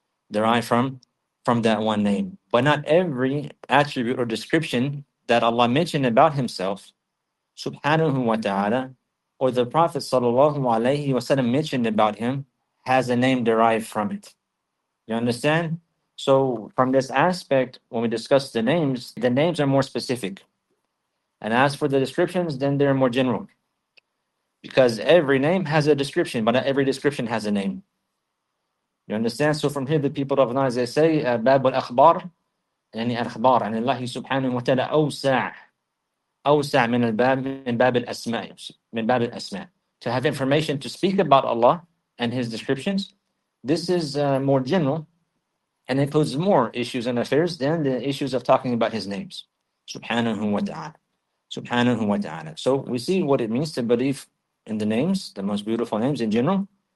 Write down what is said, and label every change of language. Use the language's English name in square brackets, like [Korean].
[English] Derived from that one name. But not every attribute or description that Allah mentioned about Himself, subhanahu wa ta'ala, or the Prophet sallallahu alayhi wa sallam mentioned about him, has a name derived from it. You understand? So from this aspect, when we discuss the names are more specific. And as for the descriptions, then they're more general. Because every name has a description, but not every description has a name. You understand? So from here, the people of Naz, they say, [Arabic] باب الأخبار يعني الأخبار عن الله سبحانه وتعالى أوسع أوسع من الباب من باب الأسماء من باب الأسماء. [English] To have information to speak about Allah and His descriptions, this is more general and includes more issues and affairs than the issues of talking about His names. [Arabic] سبحانه وتعالى سبحانه وتعالى. [English] So we see what it means to believe in the names, the most beautiful names in general.